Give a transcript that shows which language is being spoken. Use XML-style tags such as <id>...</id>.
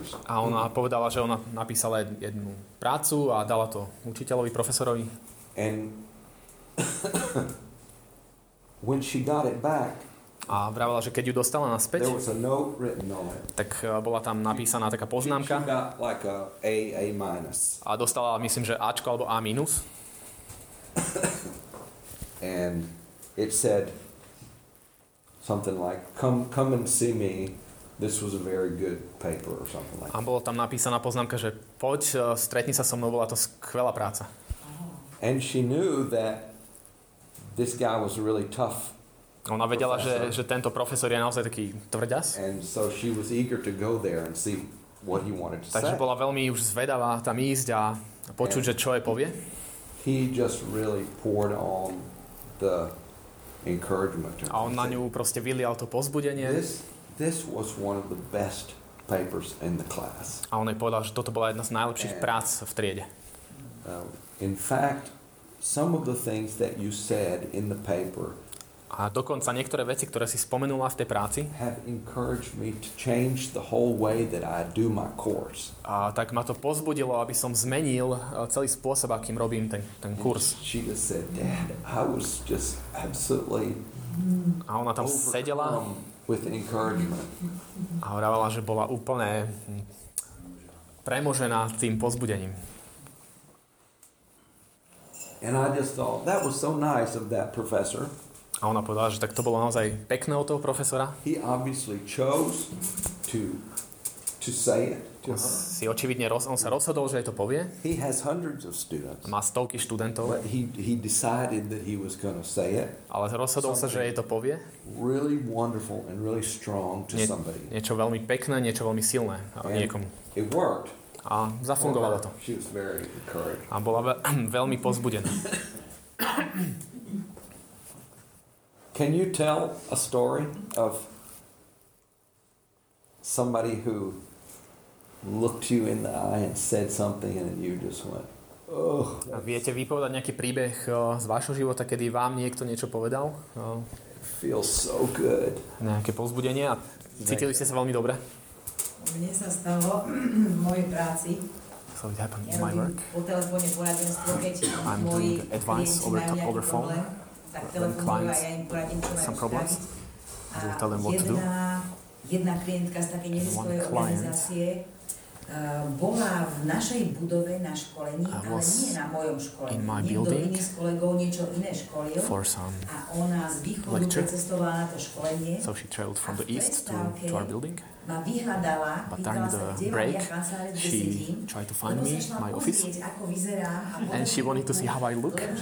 <sk>A ona povedala, že ona napísala jednu prácu a dala to učiteľovi, profesorovi.</sk> <en>A when she got it back,</en> <sk>a vravela, že keď ju dostala naspäť,</sk> <en>there was a note written on it.</en> <sk>Tak bola tam napísaná taká poznámka.</sk> <en>She got like a minus.</en> <sk>A dostala, myslím, že Ačko alebo A minus.</sk> <en>And it said something like, come and see me. This was a very good paper or something like.</en> <sk>A bola tam napísaná poznámka, že poď, stretni sa so mnou, bola to skvelá práca.</sk> <en>And she knew that this guy was really tough.</en> <sk>Ona vedela, že tento profesor je naozaj taký tvrďas.</sk> <en>And so she was eager to go there and see what he wanted to say.</en> <sk>Takže bola veľmi už zvedavá tam ísť a počuť, že čo jej povie.</sk> <en>He just really poured on the encouragement.</en> <sk>A on na ňu proste vylial to povzbudenie.</sk> <en>This was one of the best papers in the class.</en> <sk>A on jej povedal, že toto bola jedna z najlepších prác v triede.</sk> <en>In fact, some of the things that you said in the paper.</en> <sk>A dokonca niektoré veci, ktoré si spomenula v tej práci,</sk> <en>have encouraged me to change the whole way that I do my course.</en> <sk>A tak ma to povzbudilo, aby som zmenil celý spôsob, akým robím ten kurz.</sk> <en>She just said, "Dad, I was just absolutely..."</en> <sk>A ona tam sedela</sk> <en>with encouragement.</en> <sk>A hovorila, že bola úplne premožená tým povzbudením.</sk> <en>And I just thought that was so nice of that professor.</en> <sk>A ona povedala, že tak to bolo naozaj pekné od toho profesora.</sk> <en>He obviously chose to say it.</en> <sk>To si očividne on sa rozhodol, že jej to povie.</sk> <en>He has hundreds of students.</en> <sk>Má stovky študentov.</sk> <en>But he decided that he was going to say it.</en> <sk>Ale rozhodol sa, že jej to povie.</sk> <en>Really wonderful and really strong to somebody.</en> <sk>Niečo veľmi pekné, niečo veľmi silné niekomu.</sk> <en>It worked.</en> <sk>A zafungovalo to.</sk> <en>She was very encouraged.</en> <sk>A bola veľmi pozbudená.</sk> <en>Can you tell a story of somebody who looked you in the eye and said something and you just went, "Oh."</en> <sk>A viete vypovedať nejaký príbeh z vášho života, kedy vám niekto niečo povedal?</sk> <en>Feels so good.</en> <sk>Nejaké povzbudenie a cítili ste sa veľmi dobre? Mne sa stalo v mojej práci.</sk> <en>So it happened in my work.</en> <sk>Po telefóne poradenstvo, keď</sk> <en>I'm doing advice over phone.</en> <sk>Tak telefonujú a ja im poradím, čo majú spraviť. A jedna klientka z takej neziskovej organizácie bola v našej budove na školení, ale nie na mojom škole. Niekto iný s kolegou niečo iné školil a ona z východu precestovala na to školenie.</sk> <en>So she traveled from the east to our building.</en> <sk>Ma vyhľadala, pýtala sa, kde mám ja kancelárie, kde sedím.</sk> <en>Tried to find me, my office. And she wanted to see how I look.</en>